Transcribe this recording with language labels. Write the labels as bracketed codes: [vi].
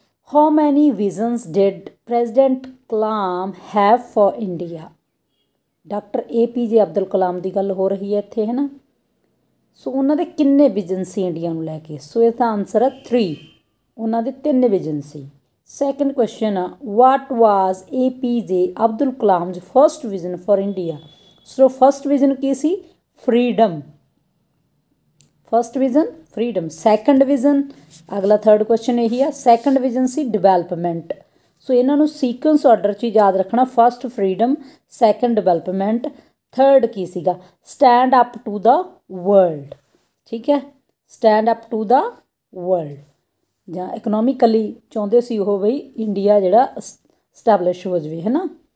[en] How many visions did President Kalam have for India? Dr. [pa] APJ Abdul Kalam ਦੀ ਗੱਲ ਹੋ ਰਹੀ ਹੈ ਇੱਥੇ, ਹੈ ਨਾ। ਸੋ ਉਹਨਾਂ ਦੇ ਕਿੰਨੇ ਵਿਜ਼ਨ ਸੀ ਇੰਡੀਆ ਨੂੰ ਲੈ ਕੇ? ਸੋ ਇਸਦਾ ਆਂਸਰ ਹੈ 3, ਉਹਨਾਂ ਦੇ 3 ਵਿਜ਼ਨ ਸੀ। ਸੈਕਿੰਡ ਕੁਐਸਚਨ ਆ, [en] What was APJ Abdul Kalam's first vision for India? [pa] So first vision Ki ਸੀ? Freedom. First vision freedom, second vision, ਅਗਲਾ ਥਰਡ ਕੁਐਸਚਨ ਇਹੀ ਆ, ਸੈਕਿੰਡ ਵਿਜ਼ਨ ਸੀ ਡਿਵੈਲਪਮੈਂਟ। ਸੋ ਇਹਨਾਂ ਨੂੰ ਸੀਕੁਐਂਸ ਆਰਡਰ 'ਚ ਯਾਦ ਰੱਖਣਾ, first freedom, second development, third ਕੀ ਸੀਗਾ? Stand up to ਦਾ world, ਠੀਕ ਹੈ, stand up to ਦਾ world, ਜਾਂ ਇਕਨੋਮਿਕਲੀ ਚਾਹੁੰਦੇ ਸੀ ਉਹ ਬਈ ਇੰਡੀਆ ਜਿਹੜਾ ਸਟੈਬਲਿਸ਼ ਹੋ ਜਾਵੇ, ਹੈ ਨਾ।